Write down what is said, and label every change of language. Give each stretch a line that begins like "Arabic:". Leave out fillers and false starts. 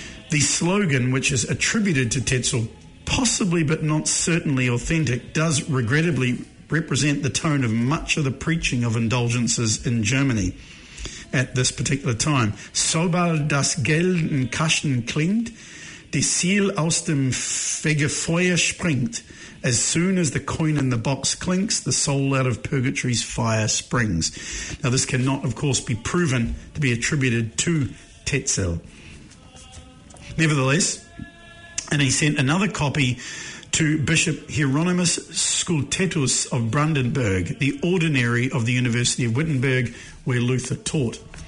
English: The slogan, which is attributed to Tetzel, possibly but not certainly authentic, does regrettably represent the tone of much of the preaching of indulgences in Germany at this particular time.
German: Sobald das Geld in Kaschen klingt, die Seele aus dem Fegefeuer springt.
English: As soon as the coin in the box clinks, the soul out of purgatory's fire springs. Now, this cannot, of course, be proven to be attributed to Tetzel. Nevertheless, and he sent another copy to Bishop Hieronymus Scultetus of Brandenburg, the ordinary of the University of Wittenberg, where Luther taught.